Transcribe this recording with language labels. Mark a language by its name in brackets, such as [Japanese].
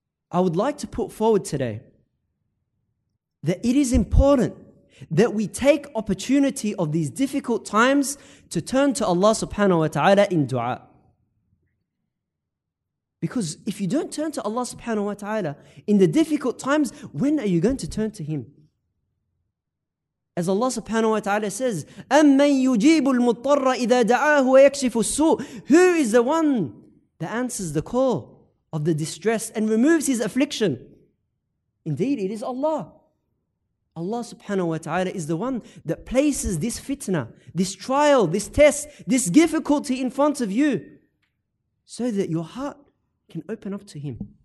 [English] I would like to put forward today that it is important that we take opportunity of these difficult times to turn to Allah subhanahu wa ta'ala in dua. Because if you don't turn to Allah subhanahu wa ta'ala in the difficult times, when are you going to turn to Him? As Allah subhanahu wa ta'ala says, [Arabic] أَمَّنْ يُجِيبُ الْمُضْطَرَّ إِذَا دَعَاهُ وَيَكْشِفُ السُّوءُ. [English] Who is the one that answers the call of the distress and removes his affliction? Indeed, it is Allah. Allah subhanahu wa ta'ala is the one that places this fitna, this trial, this test, this difficulty in front of you, so that your heart can open up to Him.